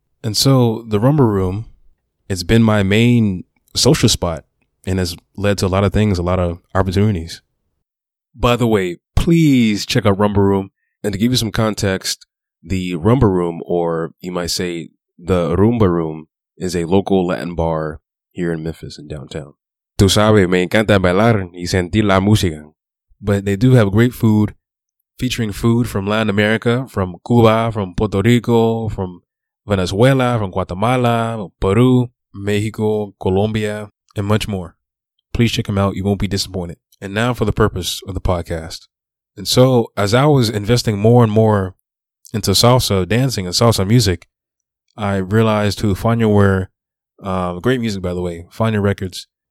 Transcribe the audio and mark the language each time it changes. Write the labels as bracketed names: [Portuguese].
[English] And so the Rumba Room, it's been my main social spot and has led to a lot of things, a lot of opportunities. By the way, please check out Rumba Room. And to give you some context, the Rumba Room, or you might say the Rumba Room, is a local Latin bar here in Memphis in downtown. [Spanish] Tú sabes, me encanta bailar y sentir la música. [English] But they do have great food, featuring food from Latin America, from Cuba, from Puerto Rico, from Venezuela, from Guatemala, Peru, Mexico, Colombia, and much more. Please check them out. You won't be disappointed. And now for the purpose of the podcast. And so as I was investing more and more into salsa dancing and salsa music, I realized who Fania were. Great music, by the way. Fania Records.